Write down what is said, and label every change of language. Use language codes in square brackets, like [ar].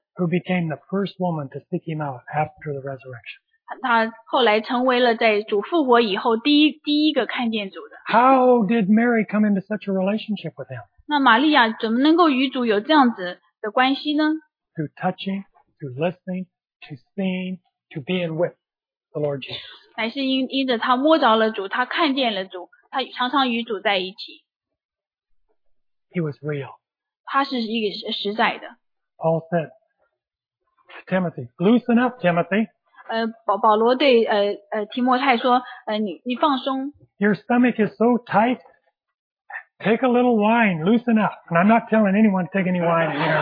[en] Who became the first woman to seek him out after the resurrection. [zh] 她后来成为了在主复活以后第一个看见主的。 [en] How did Mary come into such a relationship with him? [zh] 那玛利亚怎么能够与主有这样子的关系呢？ [en] Through touching, through listening, to seeing, to being with the Lord Jesus. [zh] 乃是因着她摸着了主，她看见了主。他常常与主在一起。 [en] He was real. [zh] 他是一个实在的。 [en] Paul said, Timothy, loosen up, Timothy. [zh] 保罗对提摩太说，你放松。 [en] Your stomach is so tight. Take a little wine, loosen up. And I'm not telling anyone to take any wine.